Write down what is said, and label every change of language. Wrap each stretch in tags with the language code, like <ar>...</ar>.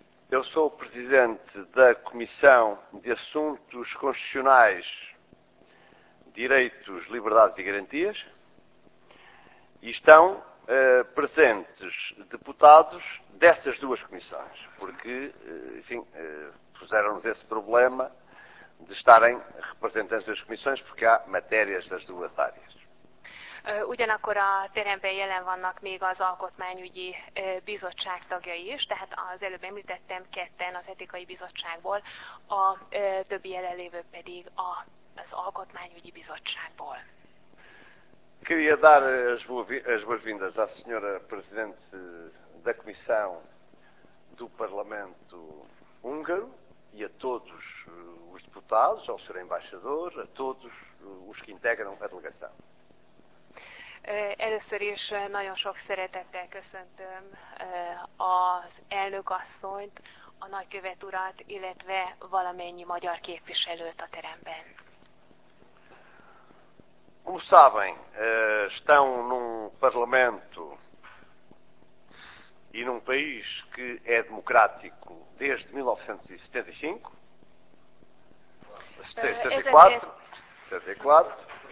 <pt>Eu sou o presidente da Comissão de Assuntos Constitucionais, Direitos, Liberdades e Garantias. E estão presentes deputados dessas duas comissões, porque, enfim, puseram-nos esse problema de estarem representantes das comissões, porque há matérias das duas áreas.</pt> <hu>Ugyanakkor a teremben jelen vannak még az Alkotmányügyi Bizottság tagjai is, tehát az előbb említettem ketten az Etikai Bizottságból, a többi jelenlévő pedig az Alkotmányügyi Bizottságból.</hu> <pt>Queria dar as boas-vindas à senhora Presidente da Comissão do Parlamento Húngaro e a todos os deputados, ao senhor embaixador, a todos os que integram a delegação.</pt> <hu>Először is nagyon sok szeretettel köszöntöm az elnök asszonyt, a nagykövet urat, illetve valamennyi magyar képviselőt a teremben.</hu> <pt>Como sabem, estão num Parlamento e num país que é democrático desde 1975, 74, 74.</pt>